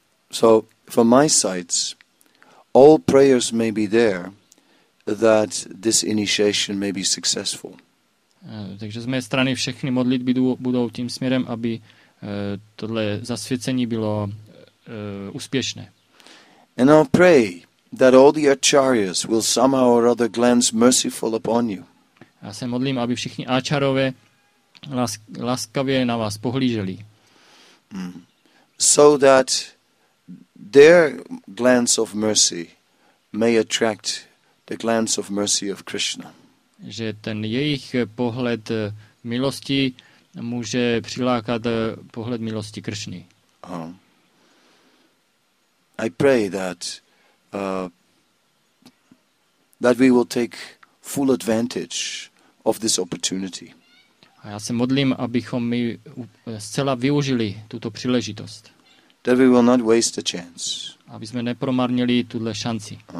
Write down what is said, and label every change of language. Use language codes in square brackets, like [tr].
[en] So from my sides, all prayers may be there that this initiation may be successful. [cs] Takže z mé strany všechny modlitby budou tím směrem, aby tohle zasvěcení bylo úspěšné. [en] And I'll pray that all the acharyas will somehow or other glance merciful upon you. [cs] Já se modlím, aby všichni áčarové laskavě na vás pohlíželi. [en] So that their glance of mercy may attract the glance of mercy of Krishna. [cs] Že ten jejich pohled milosti může přilákat pohled milosti Krishny. [en] I pray that we will take full advantage of this opportunity. [cs] A já se modlím, abychom my zcela využili tuto příležitost. [en] That we will not waste a chance. [cs] Aby jsme nepromarnili tuhle šanci.